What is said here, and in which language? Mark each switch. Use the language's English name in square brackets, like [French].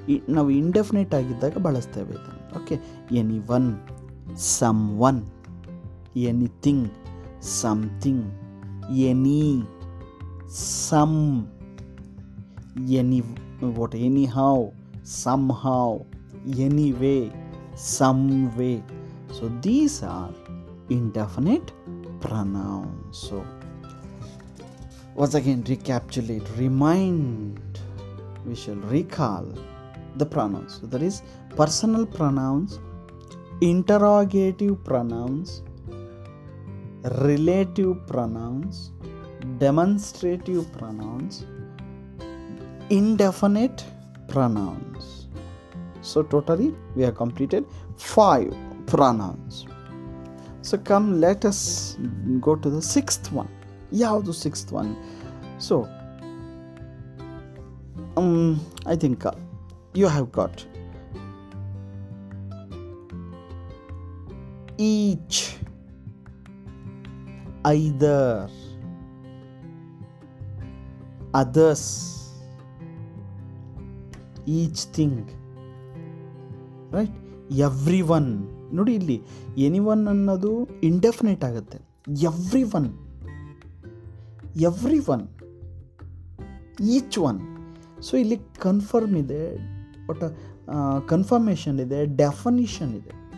[Kannada] ನಾವು ಇಂಡೆಫಿನೇಟ್ ಆಗಿದ್ದಾಗ ಬಳಸ್ತೇವೆ ಇದನ್ನು, [English] Okay. Anyone, someone, anything, something, any, some, any what, anyhow, somehow, anyway, some way. So these are indefinite pronouns. So once again, recapitulate, remind, we shall recall the pronouns. So that is personal pronouns, interrogative pronouns, relative pronouns, demonstrative pronouns, indefinite pronouns. So totally we have completed 5 pronouns. So come, let us go to the 6th one. [Kannada] Yaudu [English] 6th one? So I think you have got each, either, others, each thing, right? [Kannada] Everyone, ನೋಡಿ ಇಲ್ಲಿ anyone ಅನ್ನೋದು indefinite ಆಗುತ್ತೆ. [English] Everyone, everyone, each one. [Kannada] So ಇಲ್ಲಿ confirm ಇದೆ, ಒಟ್ಟ confirmation ಇದೆ, ಡೆಫನಿಷನ್ ಇದೆ.